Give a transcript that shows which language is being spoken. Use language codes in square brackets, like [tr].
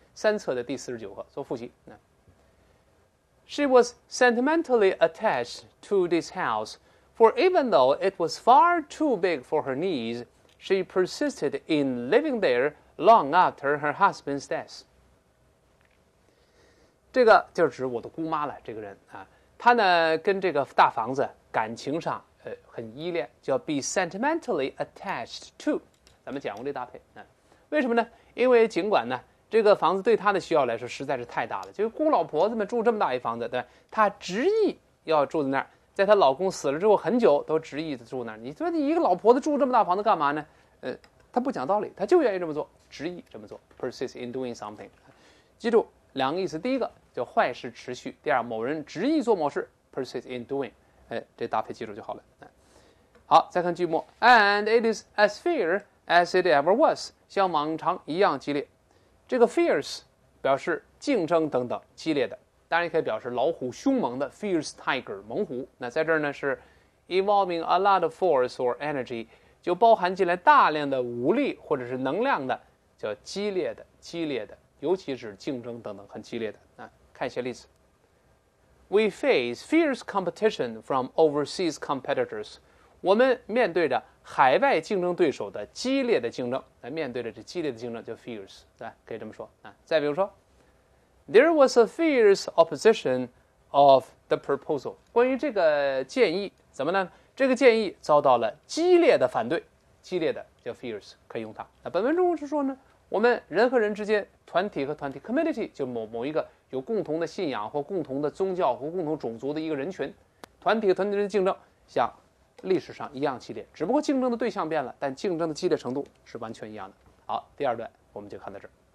[zh] 三册的第四十九课做复习。 [en] She was sentimentally attached to this house, for even though it was far too big for her needs, she persisted in living there long after her husband's death. [zh] 这个就是指我的姑妈了，这个人啊，她呢跟这个大房子感情上很依恋，叫 [en] be sentimentally attached to。 [zh] 咱们讲过这搭配啊，为什么呢？因为尽管呢。这个房子对他的需要来说实在是太大了，就是姑老婆子们住这么大一房子，对，他执意要住在那儿，在他老公死了之后很久都执意住那儿。你说你一个老婆子住这么大房子干嘛呢？他不讲道理，他就愿意这么做，执意这么做 ， [en] persist in doing something。 [zh] 记住两个意思，第一个叫坏事持续，第二某人执意做某事 ， [en] persist in doing。 [zh] 这搭配记住就好了。好，再看句末 [en] ，and it is as fierce as it ever was， [zh] 像往常一样激烈。这个 fierce 表示竞争等等激烈的，当然也可以表示老虎凶猛的 fierce tiger 猛虎。那在这儿呢是 [en] evolving a lot of force or energy [zh] 就包含进来大量的无力或者是能量的，叫激烈的，尤其是竞争等等很激烈的。啊，看一下例子。 [en] We face fierce competition from overseas competitors. [zh] 我们面对着海外竞争对手的激烈的竞争，面对着这激烈的竞争叫 fierce， 对，可以这么说。 [en] 啊， [zh] 再比如说 [en] ，There was a fierce opposition of the proposal. [zh] 关于这个建议，怎么呢？这个建议遭到了激烈的反对，激烈的叫 fierce， 可以用它。那本文中是说呢，我们人和人之间，团体和团体 ，community 就某一个有共同的信仰或共同的宗教或共同种族的一个人群，团体和团体的竞争像历史上一样激烈，只不过竞争的对象变了，但竞争的激烈程度是完全一样的。好，第二段我们就看到这儿。